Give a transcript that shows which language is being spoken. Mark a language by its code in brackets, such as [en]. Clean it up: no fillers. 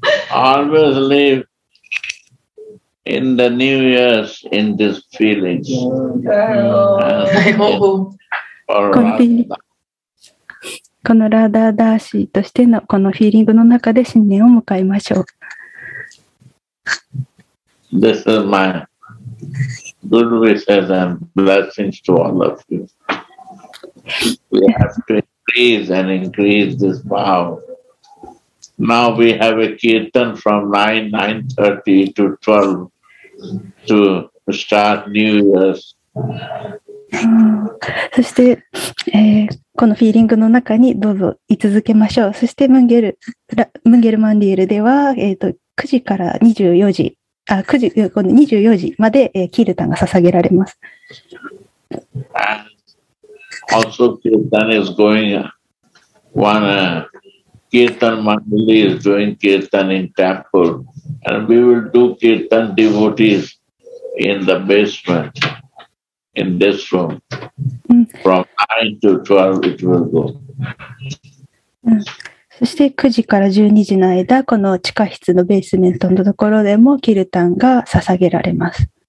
[en] Always live in the new years in this feeling. I hope. For Radhe. [ja] このラダーダーシーとしてのこのフィーリングの中で新年を迎えましょう。 [en] This is my good wishes and blessings to all of you. We have to increase and increase this vow. Now we have a kirtan from 9:30 to 12 to start New Year's. [ja] そして、このフィーリングの中にどうぞ居続けましょう。そしてムンゲルマンディエルでは、9時から24時 24時まで、キルタンが捧げられます。 [en] Also, Kirtan is going. One Kirtan Mandali is doing Kirtan in temple, and we will do Kirtan devotees in the basement in this room. From 9 to 12, it will go. [ja] そして9時から12時の間、この地下室のベースメントのところでもキルタンが捧げられます。